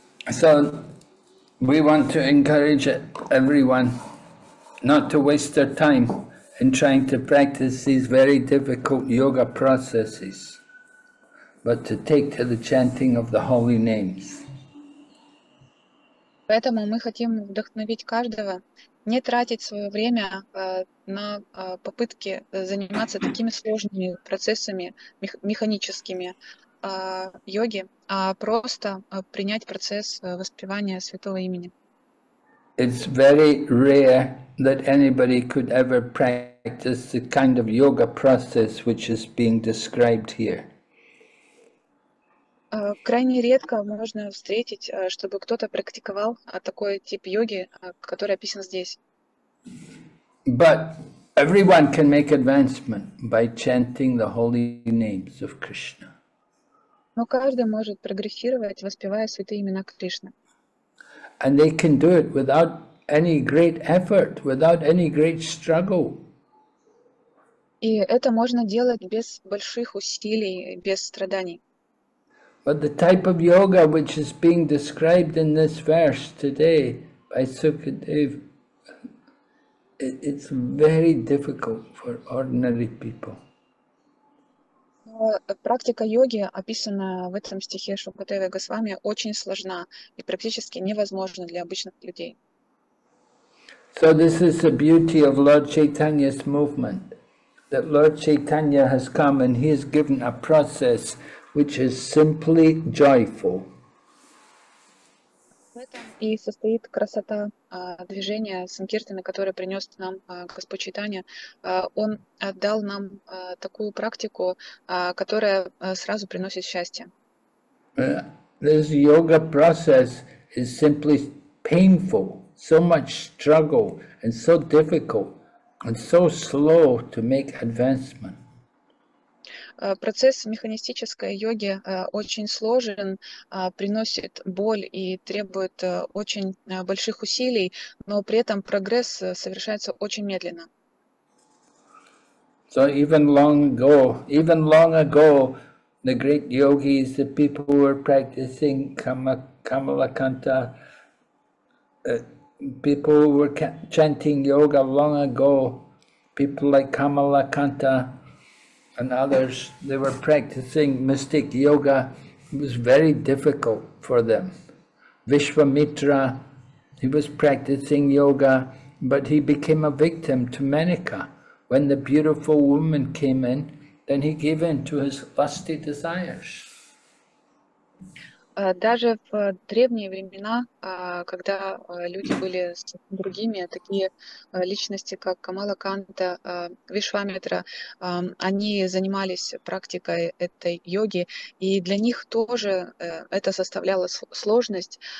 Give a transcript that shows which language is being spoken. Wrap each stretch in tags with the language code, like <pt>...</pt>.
<en>So we want to encourage everyone not to waste their time in trying to practice these very difficult yoga processes, but to take to the chanting of the holy names.</en> <ru>Поэтому мы хотим вдохновить каждого не тратить свое время на попытки заниматься такими сложными процессами механическими йоги, а просто принять процесс воспевания святого имени.</ru> <en>It's very rare that anybody could ever practice the kind of yoga process which is being described here.</en> <ru>Крайне редко можно встретить, чтобы кто-то практиковал такой тип йоги, который описан здесь.</ru> <en>But everyone can make advancement by chanting the holy names of Krishna.</en> <ru>Но каждый может прогрессировать, воспевая святые имена Кришны.</ru> <en>And they can do it without any great effort, without any great struggle.</en> <ru>И это можно делать без больших усилий, без страданий.</ru> <en>But the type of yoga which is being described in this verse today by Sukadev, it's very difficult for ordinary people.</en> <ru>Практика йоги, описанная в этом стихе Шукадева Госвами, очень сложна и практически невозможна для обычных людей.</ru> <en>So this is the beauty of Lord Chaitanya's movement, that Lord Chaitanya has come and he has given a process which is simply joyful.</en> <ru>В этом и состоит красота движения Санкиртаны, которое принес нам Господь Чайтанья. Он дал нам такую практику, которая сразу приносит счастье.</ru> <en>This yoga process is simply painful, so much struggle and so difficult and so slow to make advancement.</en> <ru>Процесс механистической йоги очень сложен, приносит боль и требует очень больших усилий, но при этом прогресс совершается очень медленно.</ru> <en>So even long ago, the great yogis, the people who were practicing Kamalakanta, people who were chanting yoga long ago, people like Kamalakanta and others, they were practicing mystic yoga. It was very difficult for them. Vishwamitra, he was practicing yoga, but he became a victim to Menaka. When the beautiful woman came in, then he gave in to his lusty desires.</en> <ru>Даже в древние времена, когда люди были с другими, такие личности, как Камала Канта, Вишвамитра, они занимались практикой этой йоги, и для них тоже это составляло сложность.</ru>